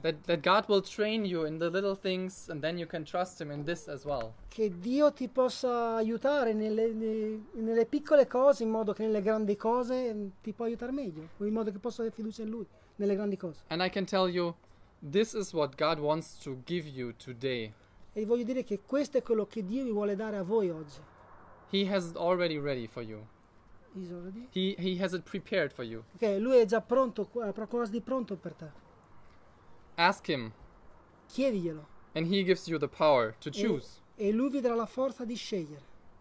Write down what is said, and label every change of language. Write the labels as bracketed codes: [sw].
[en] That God will train you in the little things and then you can trust him in this as well. [it] Che Dio ti possa aiutare nelle piccole cose in modo che nelle grandi cose ti può aiutare meglio, in modo che possa avere fiducia in lui nelle grandi cose. [en] And I can tell you, this is what God wants to give you today. [it] E voglio dire che questo è quello che Dio vi vuole dare a voi oggi. [en] He has already ready for you. He's already? He has it prepared for you. [it] Ok, lui è già pronto, qualcosa di pronto per te. [en] Ask him. [it] Chiediglielo. [en] And he gives you the power to choose. [it] E lui vi darà la forza di scegliere.